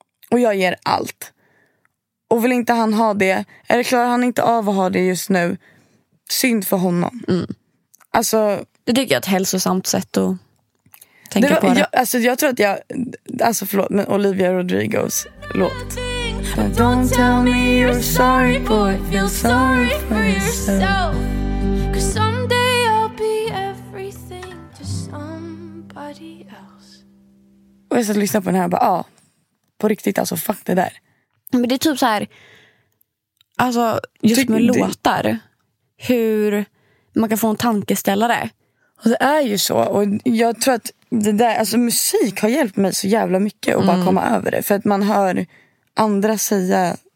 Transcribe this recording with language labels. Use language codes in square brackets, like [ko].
[sv] Och jag ger allt. Och vill inte han ha det, eller klarar han inte av att ha det just nu, synd för honom. Alltså, det tycker jag är ett hälsosamt sätt att tänka det var, på det. Jag tror att jag, alltså förlåt, men Olivia Rodrigos låt. [en] But don't tell me you're sorry, boy. Feel sorry for yourself. 'Cause someday I'll be everything to somebody else. [sv] Och jag satt och lyssnade på den här och bara, ja, på riktigt, alltså fuck det där. Men det är typ så här, alltså just med låtar, hur man kan få en tankeställare. Och det är ju så, och jag tror att det där, alltså musik har hjälpt mig så jävla mycket att bara komma över det, för att man hör andra säga